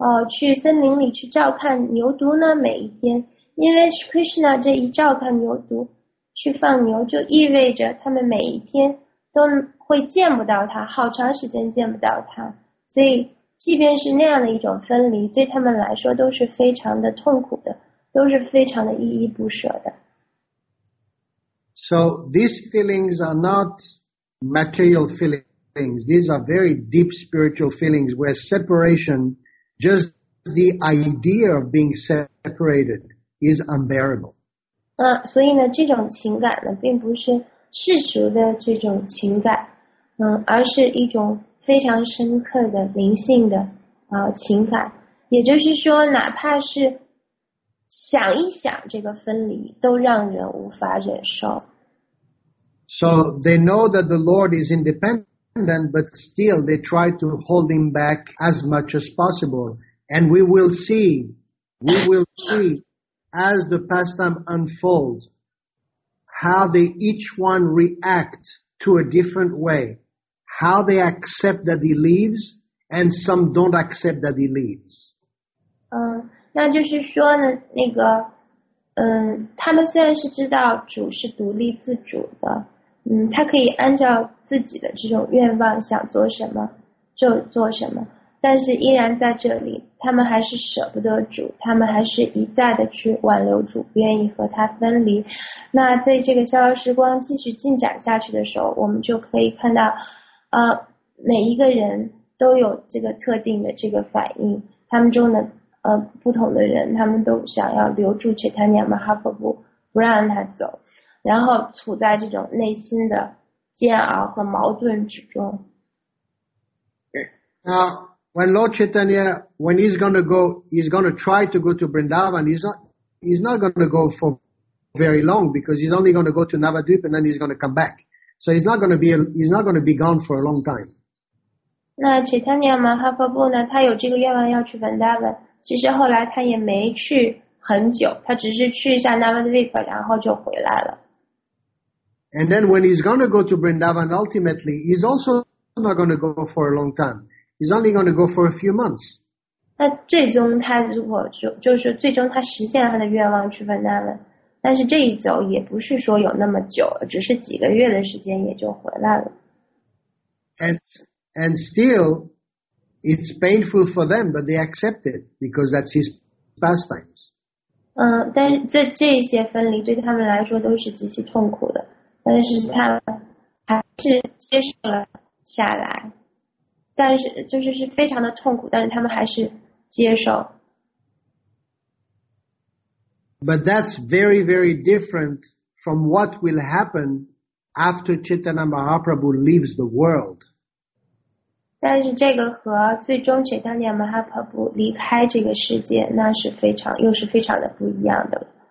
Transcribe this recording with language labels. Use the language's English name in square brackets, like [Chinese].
[Chinese] 去森林里去照看牛犊呢每一天因为 Krishna 这一照看牛犊去放牛就意味着他们每一天都会见不到他好长时间见不到他所以即便是那样的一种分离对他们来说都是非常的痛苦的都是非常的依依不舍的 [English] So these feelings are not material feelings these are very deep spiritual feelings where separationJust the idea of being separated is unbearable. [Chinese] 所以呢，这种情感呢，并不是世俗的这种情感，而是一种非常深刻的灵性的情感。也就是说，哪怕是想一想这个分离，都让人无法忍受。 [English] So they know that the Lord is independent. But still, they try to hold him back as much as possible. And we will see as the pastime unfolds how they each one react to a different way, how they accept that he leaves, and some don't accept that he leaves. [Chinese] 那就是说呢，那个，他们虽然是知道主是独立自主的。他可以按照自己的这种愿望想做什么就做什么但是依然在这里他们还是舍不得主他们还是一再的去挽留主不愿意和他分离那在这个逍遥时光继续进展下去的时候我们就可以看到每一个人都有这个特定的这个反应他们中的不同的人他们都想要留住 Chaitanya Mahaprabhu 不让他走然后处在这种内心的煎熬和矛盾之中。 [English] Now, when Lord Chaitanya, when he's going to go, he's going to try to go to Vrindavan, he's not going to go for very long because he's only going to go to Navadvipa and then he's going to come back. So he's not going to be gone for a long time. [Chinese] 那 Chaitanya Mahaprabhu 呢他有这个愿望要去 Vrindavan, 其实后来他也没去很久他只是去一下 Navadvipa 然后就回来了。 [English] And then when he's going to go to Vrindavan, ultimately, he's also not going to go for a long time. He's only going to go for a few months. [Chinese] 那最终他如果就是最终他实现了他的愿望去分担了，但是这一走也不是说有那么久，只是几个月的时间也就回来了。 [English] And still, it's painful for them, but they accept it because that's his pastimes. [Chinese] 嗯，但是这些分离对他们来说都是极其痛苦的，但是他还是接受了下来。但是就是是非常的痛苦，但是他们还是接受。 [English] But that's very, very different from what will happen after Chaitanya Mahaprabhu leaves the world. [Chinese] 但是这个和最终 Chaitanya Mahaprabhu 离开这个世界，那是非常，又是非常的不一样的。